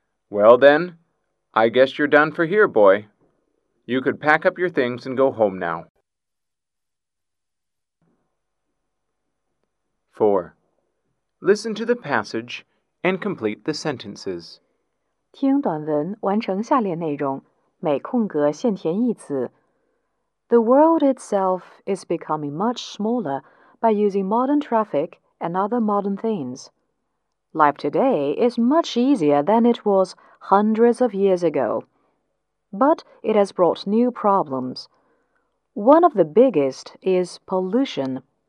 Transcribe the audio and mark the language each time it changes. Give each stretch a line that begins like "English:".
English: "Well then, I guess you're done for here, boy. You could pack up your things and go home now." 4. Listen to the passage and complete the sentences.
Chinese: 听短文，完成下列内容，每空格限填一词。
English: The world itself is becoming much smaller by using modern traffic and other modern things. Life today is much easier than it was hundreds of years ago. But it has brought new problems. One of the biggest is pollution.